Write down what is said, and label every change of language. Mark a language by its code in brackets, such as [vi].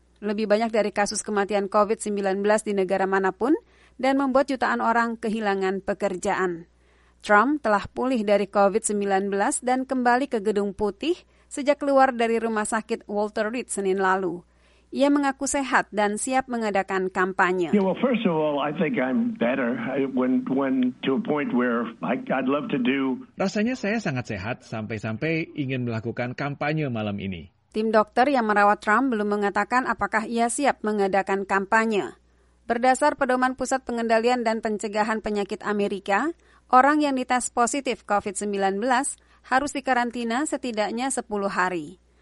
[id] Lebih banyak dari kasus kematian COVID-19 di negara manapun dan membuat jutaan orang kehilangan pekerjaan. Trump telah pulih dari COVID-19 dan kembali ke Gedung Putih sejak keluar dari rumah sakit Walter Reed Senin lalu. Ia mengaku sehat dan siap mengadakan kampanye. [en] Yeah, well, first of all, I think I'm better. When to a point where I'd love to do. [id] Rasanya saya sangat sehat sampai-sampai ingin melakukan kampanye malam ini. Tim dokter yang merawat Trump belum mengatakan apakah ia siap mengadakan kampanye. Berdasar pedoman Pusat Pengendalian dan Pencegahan Penyakit Amerika, orang yang dites positif COVID-19 harus dikarantina setidaknya 10 hari.